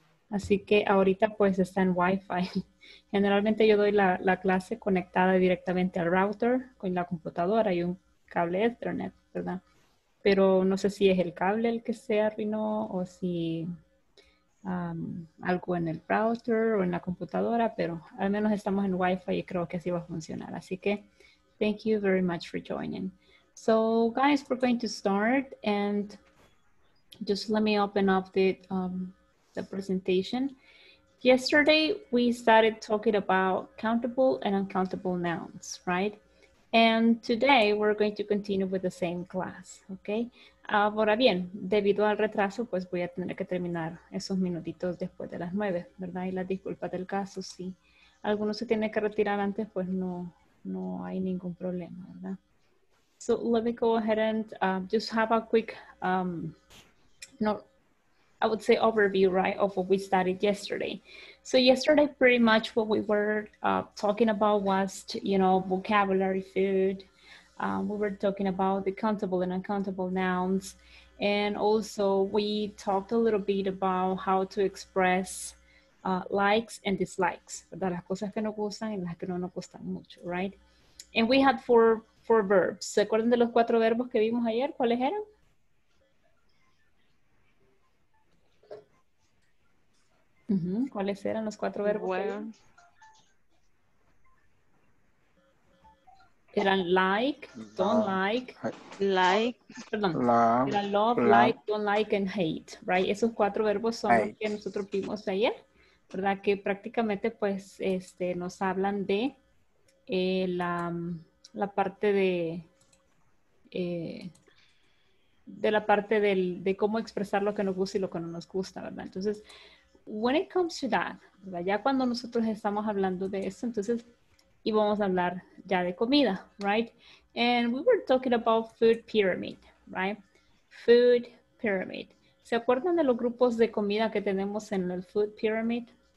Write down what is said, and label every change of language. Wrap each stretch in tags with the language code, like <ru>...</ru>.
<es>Así que ahorita pues está en Wi-Fi. Generalmente yo doy la clase conectada directamente al router con la computadora y un cable Ethernet, ¿verdad? Pero no sé si es el cable el que se arruinó o si algo en el browser o en la computadora, pero al menos estamos en Wi-Fi y creo que así va a funcionar.</es> <en>Así que, thank you very much for joining. So, guys, we're going to start and just let me open up the presentation. Yesterday, we started talking about countable and uncountable nouns, right? And today we're going to continue with the same class, okay?</en> <es>Ahora bien, debido al retraso, pues voy a tener que terminar esos minutitos después de las 9, ¿verdad? Y las disculpas del caso, si alguno se tiene que retirar antes, pues no hay ningún problema, ¿verdad?</es> <en>So let me go ahead and just have a quick, I would say overview, right, of what we studied yesterday. So yesterday, pretty much what we were talking about was, vocabulary, food. We were talking about the countable and uncountable nouns. And also we talked a little bit about how to express likes and dislikes.</en> <es>¿Verdad? Las cosas que nos gustan y las que no nos gustan mucho, right?</es> <en>And we had four verbs.</en> <es>¿Se acuerdan de los cuatro verbos que vimos ayer? ¿Cuáles eran? Uh-huh. ¿Cuáles eran los cuatro verbos? Bueno.</es> <en>Eran like, don't like, love. Era love, like, don't like, and hate, right?</en> <es>Esos cuatro verbos son los que nosotros vimos ayer, ¿verdad? Que prácticamente pues nos hablan de la parte de cómo expresar lo que nos gusta y lo que no nos gusta, ¿verdad? Entonces,</es> <en>when it comes to that,</en> <es>¿verdad? Ya cuando nosotros estamos hablando de eso, entonces íbamos a hablar ya de comida, right?</es> <en>And we were talking about food pyramid, right? Food pyramid.</en> <es>¿Se acuerdan de los grupos de comida que tenemos en el food pyramid?</es>